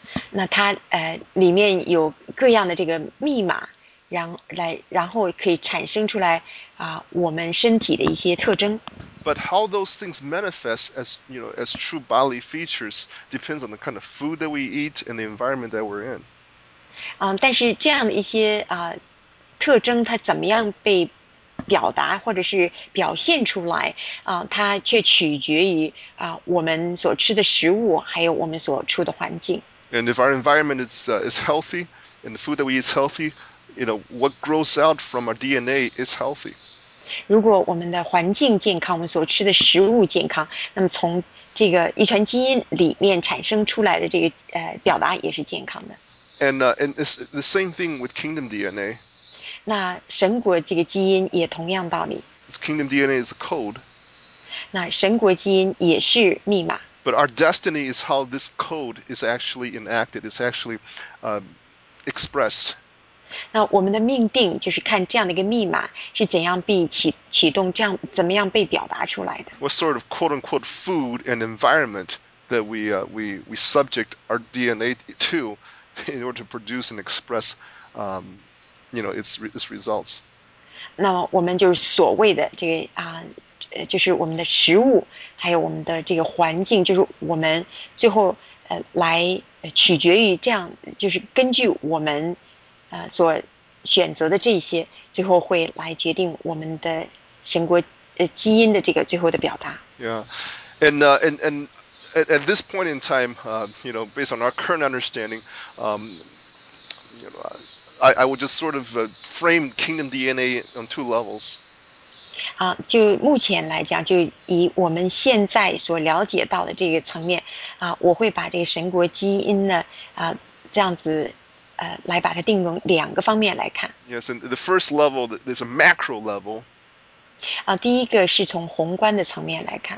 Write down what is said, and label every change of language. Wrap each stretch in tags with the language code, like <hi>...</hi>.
<zh>那它里面有各样的这个密码，然后可以产生出来我们身体的一些特征。</zh> <en>But how those things manifest as as true bodily features depends on the kind of food that we eat and the environment that we're in.</en> <zh>但是这样的一些特征它怎么样被表达或者是表现出来它却取决于我们所吃的食物还有我们所处的环境。</zh> <en>And if our environment is healthy, and the food that we eat is healthy, what grows out from our DNA is healthy.</en> <zh>如果我们的环境健康，我们所吃的食物健康，那么从这个遗传基因里面产生出来的这个表达也是健康的。</zh> <en>And it's the same thing with kingdom DNA.</en> <zh>那神国这个基因也同样道理。</zh> <en>It's kingdom DNA is a code.</en> <zh>那神国基因也是密码。</zh> <en>But our destiny is how this code is actually enacted, is actually expressed.</en> <zh>那我们的命定就是看这样的一个密码是怎样被启动，这样怎么样被表达出来的。</zh> <en>What sort of quote-unquote food and environment that we subject our DNA to in order to produce and express, you know, its results.</en> <zh>那我们就是所谓的这个啊，就是我们的食物，还有我们的这个环境，就是我们最后来取决于这样，就是根据我们所选择的这些，最后会来决定我们的神国基因的这个最后的表达。</zh> <en>Yeah, and at this point in time, you know, based on our current understanding, you know, I would just sort of frame kingdom DNA on two levels.</en> <zh>啊，就目前来讲，就以我们现在所了解到的这个层面，啊，我会把这个神国基因呢，啊，这样子，来把它定成两个方面来看。</zh> <en>Yes, and the first level, there's a macro level.</en> <zh>啊，第一个是从宏观的层面来看。</zh>